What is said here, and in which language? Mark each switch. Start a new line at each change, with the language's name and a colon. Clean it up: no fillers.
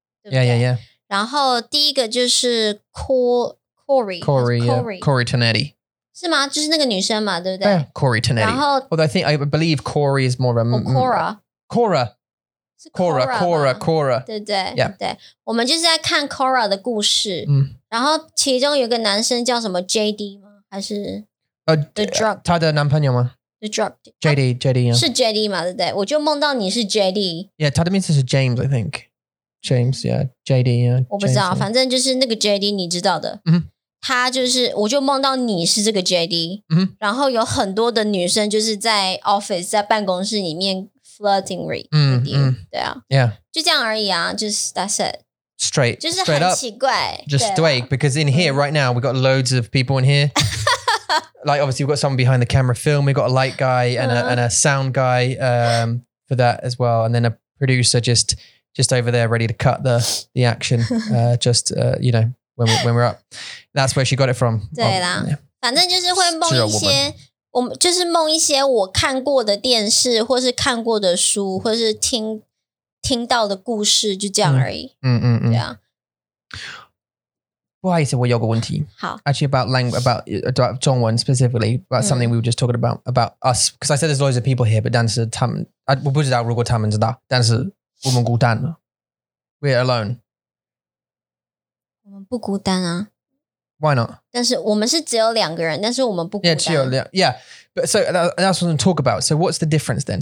Chinese: 对不对？然后第一个就是
English: Corey Tenetti，
Chinese: 是吗？就是那个女生嘛，对不对？
English: Corey Tenetti，
Chinese: 然后
English: I think I believe Corey is more of
Chinese: Cora， 对对，对，我们就是在看 Cora 的故事，然后其中有个男生叫什么 JD 吗？还是
English: The Drug
Chinese: 他的男朋友吗？
English: The drug JD
Chinese: 是 JD 嘛，对不对？我就梦到你是 JD.
English: Yeah,
Chinese: 他的名字是
English: James, I think. James, yeah, JD, yeah.
Chinese: 我不知道，反正就是那个 JD， 你知道的。他就是，我就梦到你是这个 JD。然后有很多的女生就是在 office， 在办公室里面
English: flirting with JD，
Chinese: 对啊。
English: Yeah.
Chinese: 就这样而已啊，就是
English: that's it. straight, just straight up.
Chinese: 奇怪,
English: just straight, because in here right now, we've got loads of people in here. Like, obviously, we've got someone behind the camera film. We've got a light guy and, and a sound guy for that as well. And then a producer just over there ready to cut the action. You know, when we're up. That's where she got it from.
Chinese: 对啦，反正就是会梦一些，我们就是梦一些我看过的电视，或是看过的书，或是听到的故事，就这样而已。不好意思，我有个问题。好，
English: actually about language, about 中文 specifically, about something we were just talking about us. Because I said there's loads of people here, but
Chinese: 但是他们，我不知道如果他们知道，但是我们孤单了。
English: We're alone.
Chinese: 我们不孤单啊。
English: Why not?
Chinese: 但是我们是只有两个人，但是我们不孤单。
English: Yeah, but so that's what I'm going to talk about. So what's the difference then?